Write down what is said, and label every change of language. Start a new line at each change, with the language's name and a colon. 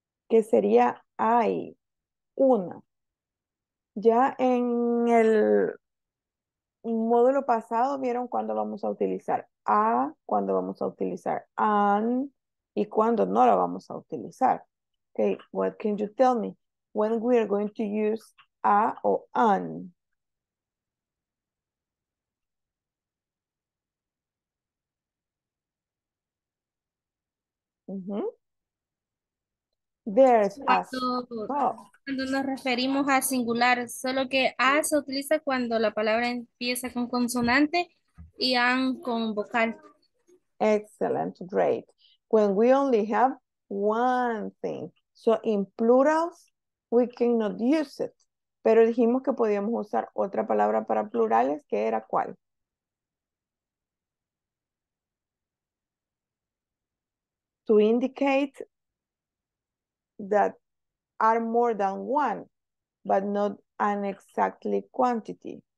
Spanish: ¿Qué sería hay una? Ya en el módulo pasado vieron cuándo vamos a utilizar a, cuándo vamos a utilizar an y cuándo no lo vamos a utilizar.
English: Okay, what can you tell me? When we are going to use a o an? There's
Spanish: cuando nos referimos a singular, solo que a se utiliza cuando la palabra empieza con consonante y an con vocal.
English: Excellent, great. When we only have one thing. So in plurals, we cannot use it.
Spanish: Pero dijimos que podíamos usar otra palabra para plurales, ¿qué era cuál?
English: To indicate that are more than one, but not an exactly quantity.